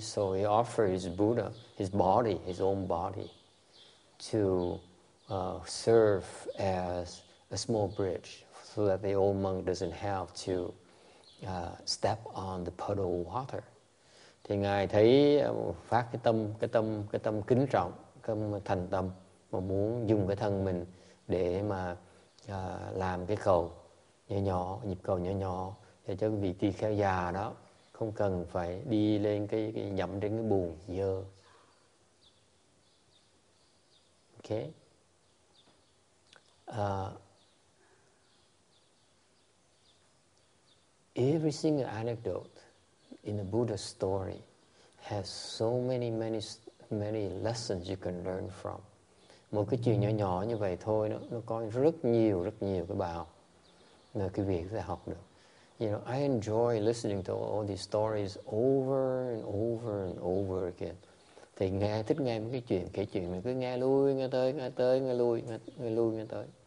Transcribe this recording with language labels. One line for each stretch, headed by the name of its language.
English: So he offered his Buddha, his body, his own body, to serve as a small bridge so that the old monk doesn't have to step on the puddle of water.
Vietnamese: Thì ngài thấy phát cái tâm kính trọng, cái thành tâm mà muốn dùng cái thân mình để mà làm cái cầu nhỏ nhỏ, nhịp cầu nhỏ nhỏ để cho vị tỳ kheo già đó không cần phải đi lên cái nhậm trên cái bùn dơ.
English: Okay. Every single anecdote in the Buddha story has so many lessons you can learn from.
Vietnamese: Một cái chuyện nhỏ nhỏ như vậy thôi nó có rất nhiều cái bài học, là cái việc để học được.
English: You know, I enjoy listening to all these stories over and over and over again.
Vietnamese: Thì nghe thích nghe mấy cái chuyện, kể chuyện mình cứ nghe lui nghe tới, nghe tới nghe lui, nghe lui nghe tới.